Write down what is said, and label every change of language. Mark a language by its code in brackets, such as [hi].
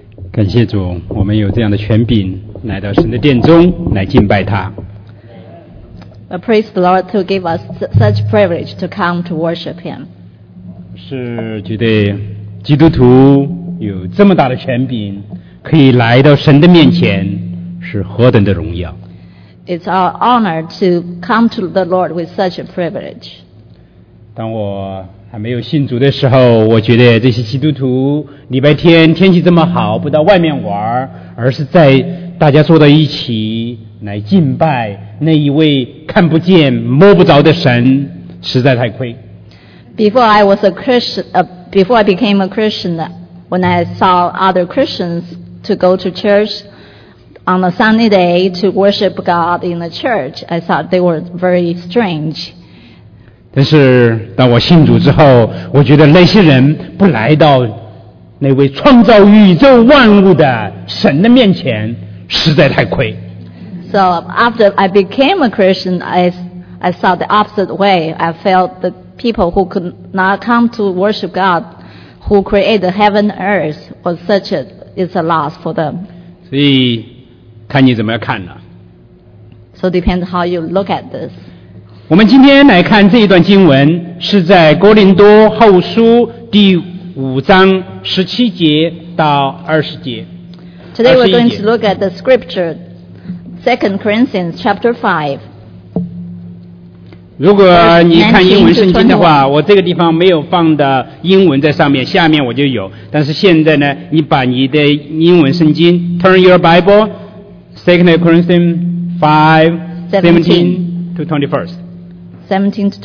[zh] 感谢主，我们有这样的权柄来到神的殿中来敬拜他。 [en] Praise the Lord to give us such privilege to come to worship Him. [zh] 是觉得基督徒有这么大的权柄，可以来到神的面前，是何等的荣耀。 [en] It's our honor to come to the Lord with such a privilege. [zh] 当我还没有信主的时候，我觉得这些基督徒礼拜天天气这么好，不到外面玩，而是在大家坐在一起来敬拜那一位看不见摸不着的神，实在太亏。 [en] Before I became a Christian, when I saw other Christians to go to church on a sunny day to worship God in the church, I thought they were very strange. [zh] 但是当我信主之后，我觉得那些人不来到那位创造宇宙万物的神的面前，实在太亏。 [en] So after I became a Christian, I saw the opposite way. I felt the people who could not come to worship God, who created heaven and earth, was such a it's a loss for them. [zh] 所以看你怎么看了。 [en] So depends how you look at this. [zh] 我们今天来看这一段经文，是在哥林多后书第五章十七节到二十节。 [en] Today we're going to look at the scripture, 2 Corinthians chapter 5. [zh] 如果你看英文圣经的话，我这个地方没有放的英文在上面，下面我就有。但是现在呢，你把你的英文圣经 ， [en] Turn your Bible, 2 Corinthians 5:17-21.